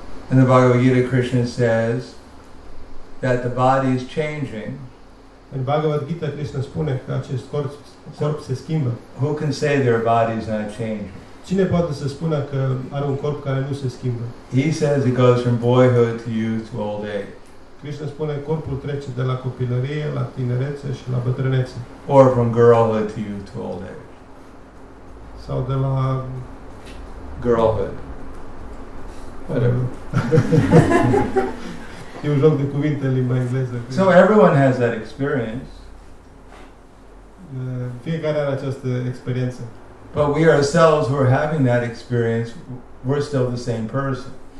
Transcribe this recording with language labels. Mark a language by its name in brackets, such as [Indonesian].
[English] And the Bhagavad Gita Krishna says that the body is changing. [Romanian] În Bhagavad Gita Krishna spune că acest corp se schimbă. [English] Who can say their body is not changing? [Romanian] Cine poate să spună că are un corp care nu se schimbă? [English] He says it goes from boyhood to youth to old age. [Romanian] Krishna spune că corpul trece de la copilărie la tinerețe și la bătrânețe. [English] Or from girlhood to youth to old age. [Romanian] Sau de la [English] girlhood. Whatever. [Romanian] Eu joc de cuvinte în limba engleză. [English] So everyone has that experience. [Romanian] Fiecare are această experiență. [English] But we ourselves who are having that experience, we're still the same person.